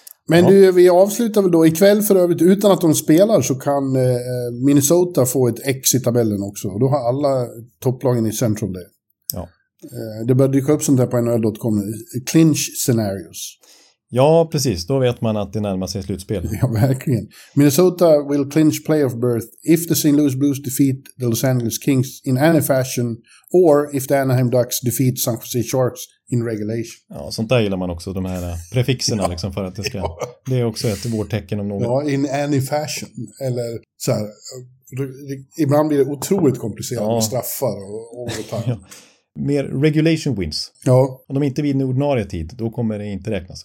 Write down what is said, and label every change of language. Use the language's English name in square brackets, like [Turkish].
[Swedish] Men du, vi avslutar väl då ikväll för övrigt. Utan att de spelar så kan Minnesota få ett X i tabellen också. Och då har alla topplagen i Central det. Ja. Det börjar dyka upp sånt här på NHL.com. [English] Clinch scenarios. [Swedish] Ja, precis. Då vet man att det närmar sig slutspel. Ja, verkligen. [English] Minnesota will clinch playoff berth if the St. Louis Blues defeat the Los Angeles Kings in any fashion or if the Anaheim Ducks defeat San Jose Sharks in regulation. [Swedish] Ja, sånt där gillar man också, de här prefixerna liksom, för att det ska... Det är också ett vårtecken om något. [English] Ja, in any fashion. [Swedish] Eller så här, ibland blir det otroligt komplicerat med straffar och ja. Mer regulation wins. Ja. Om de inte vinner ordinarie tid, då kommer det inte räknas.